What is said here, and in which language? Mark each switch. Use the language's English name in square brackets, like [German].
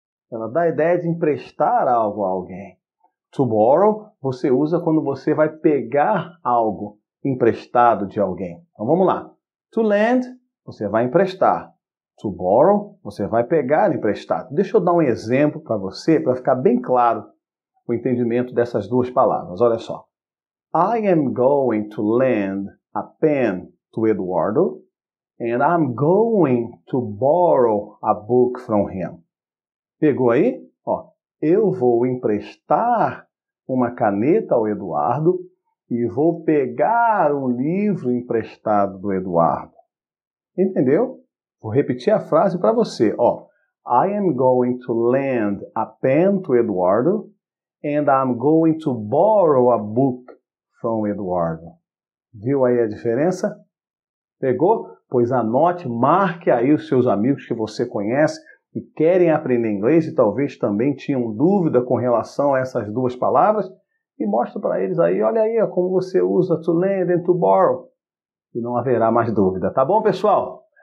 [Portuguese] Ela dá a ideia de emprestar algo a alguém. To borrow, você usa quando você vai pegar algo emprestado de alguém. Então, vamos lá. To lend, você vai emprestar. To borrow, você vai pegar emprestado. Deixa eu dar um exemplo para você, para ficar bem claro o entendimento dessas duas palavras. Olha só. [English] I am going to lend a pen to Eduardo, and I'm going to borrow a book from him. [Portuguese] Pegou aí? Ó, eu vou emprestar uma caneta ao Eduardo e vou pegar um livro emprestado do Eduardo. Entendeu? Vou repetir a frase para você. [English] Ó, I am going to lend a pen to Eduardo and I'm going to borrow a book from Eduardo. [Portuguese] Viu aí a diferença? Pegou? Pois anote, marque aí os seus amigos que você conhece e querem aprender inglês e talvez também tinham dúvida com relação a essas duas palavras, e mostra para eles aí, olha aí como você usa to lend and to borrow, e não haverá mais dúvida. Tá bom, pessoal?